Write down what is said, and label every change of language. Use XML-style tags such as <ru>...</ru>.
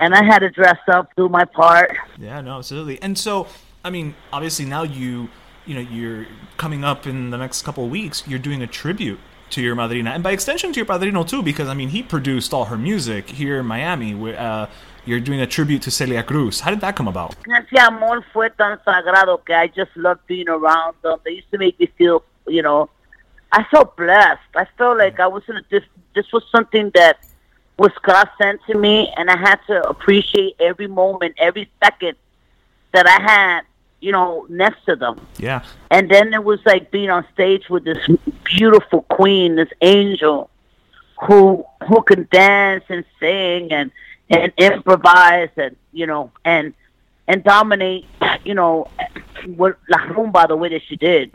<en>and cool. I had to dress up, do my part. Yeah, no, absolutely. And so, I mean, obviously now you know, you're coming up in the next couple of weeks. You're doing a tribute to your madrina. And by extension to your padrino, too, because, I mean, he produced all her music here in Miami. You're doing a tribute to Celia Cruz. How did that come about?</en> <es>Ese amor fue tan sagrado que</es> <en>I just loved being around them. They used to make me feel, you know... I felt blessed. I felt like I was in a this was something that was God sent to me, and I had to appreciate every moment, every second that I had, you know, next to them. Yeah. And then it was like being on stage with this beautiful queen, this angel, who can dance and sing and improvise and, you know, and dominate, you know, with La Rumba the way that she did.</en>